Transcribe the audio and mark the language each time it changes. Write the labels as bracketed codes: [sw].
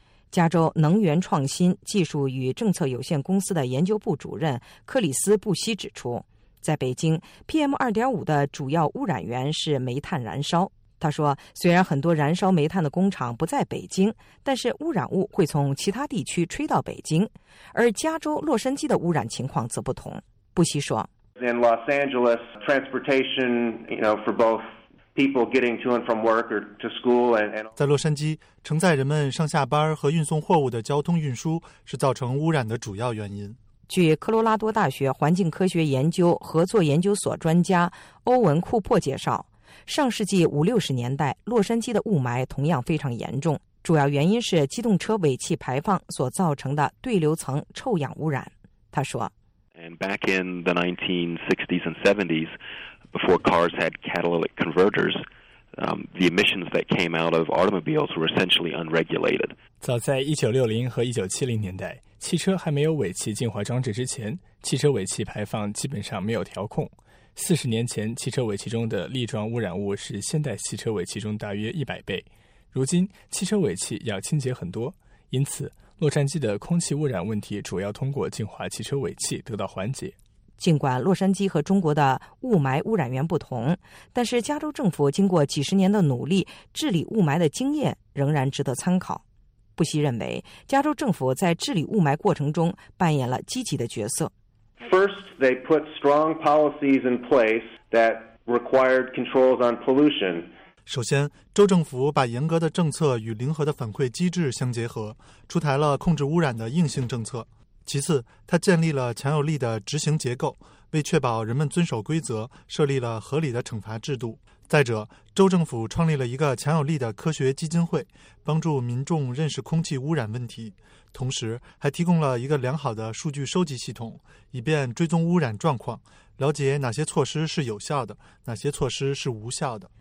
[zh] 加州能源创新技术与政策有限公司的研究部主任克里斯·布希指出，在北京 PM2.5 的主要污染源是煤炭燃烧。他说，虽然很多燃烧煤炭的工厂不在北京，但是污染物会从其他地区吹到北京，而加州洛杉矶的污染情况则不同。布希说 [en] In Los Angeles, transportation, you know, for both people getting to and from work or to school and [zh] 在洛杉矶，承载人们上下班和运送货物的交通运输是造成污染的主要原因。据科罗拉多大学环境科学研究合作研究所专家欧文·库珀介绍，上世纪五六十年代，洛杉矶的雾霾同样非常严重，主要原因是机动车尾气排放所造成的对流层臭氧污染。他说 [en] And back in the 1960s and 70s, before cars had catalytic converters, the emissions that came out of automobiles were essentially unregulated. [zh] 早在1960和1970年代，汽车还没有尾气净化装置之前，汽车尾气排放基本上没有调控。 40年前，汽车尾气中的粒状污染物是现代汽车尾气中大约100倍。如今，汽车尾气要清洁很多，因此，洛杉矶的空气污染问题主要通过净化汽车尾气得到缓解。尽管洛杉矶和中国的雾霾污染源不同，但是加州政府经过几十年的努力治理雾霾的经验仍然值得参考。布希认为，加州政府在治理雾霾过程中扮演了积极的角色。 [en] First, they put strong policies in place that required controls on pollution. [zh] 首先，州政府把严格的政策与灵活的反馈机制相结合，出台了控制污染的硬性政策。其次，它建立了强有力的执行结构，为确保人们遵守规则，设立了合理的惩罚制度。再者，州政府创立了一个强有力的科学基金会，帮助民众认识空气污染问题，同时还提供了一个良好的数据收集系统，以便追踪污染状况，了解哪些措施是有效的，哪些措施是无效的。